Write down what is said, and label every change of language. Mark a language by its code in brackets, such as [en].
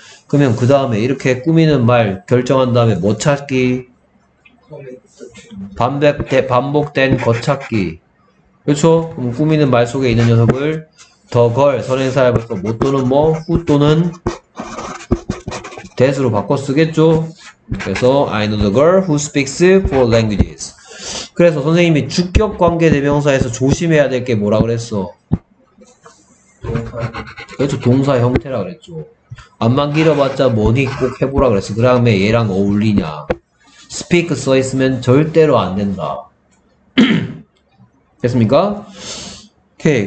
[ko] 그러면 그 다음에 이렇게 꾸미는 말 결정한 다음에 뭐 찾기? 반복된 거 찾기. 그렇죠? 그럼 꾸미는 말 속에 있는 녀석을 더 걸, 선행사 해볼까? 뭐 또는 뭐, 후 또는 that으로 바꿔 쓰겠죠? 그래서 [en] I know the girl who speaks four languages. [ko] 그래서 선생님이 주격 관계 대명사에서 조심해야 될게 뭐라 그랬어? 그렇죠, 동사 형태라 그랬죠. 안만 길어봤자 뭐니 꼭 해보라 그랬어. 그 다음에 얘랑 어울리냐. 스피크 써 있으면 절대로 안 된다. 됐습니까? 오케이.